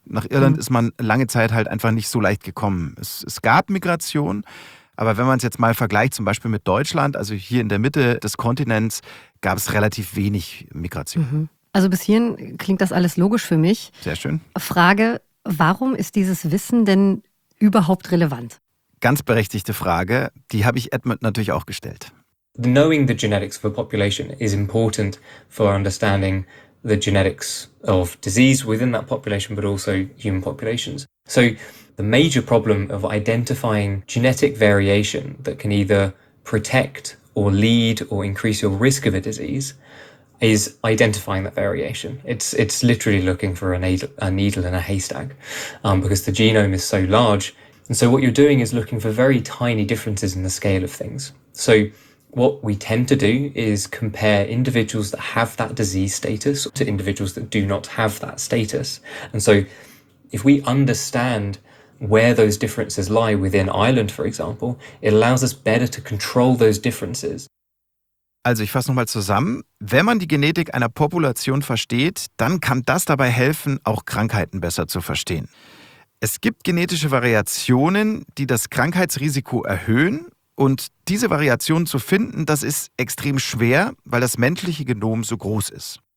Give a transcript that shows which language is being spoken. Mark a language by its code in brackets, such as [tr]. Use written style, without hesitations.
[de] Nach Irland ist man lange Zeit halt einfach nicht so leicht gekommen. Es gab Migration, aber wenn man es jetzt mal vergleicht zum Beispiel mit Deutschland, also hier in der Mitte des Kontinents, gab es relativ wenig Migration. Mhm. Also bis hierhin klingt das alles logisch für mich. Sehr schön. Frage, warum ist dieses Wissen denn überhaupt relevant? Ganz berechtigte Frage, die habe ich Edmund natürlich auch gestellt. [en] Knowing the genetics of a population is important for understanding the genetics of disease within that population, but also human populations. So the major problem of identifying genetic variation that can either protect or lead or increase your risk of a disease is identifying that variation. It's literally looking for a needle in a haystack, because the genome is so large. And so what you're doing is looking for very tiny differences in the scale of things. So what we tend to do is compare individuals that have that disease status to individuals that do not have that status. And so if we understand where those differences lie within Ireland, for example, it allows us better to control those differences. [de] Also ich fasse nochmal zusammen. Wenn man die Genetik einer Population versteht, dann kann das dabei helfen, auch Krankheiten besser zu verstehen. Es gibt genetische Variationen, die das Krankheitsrisiko erhöhen. Und diese Variationen zu finden, das ist extrem schwer, weil das menschliche Genom so groß ist.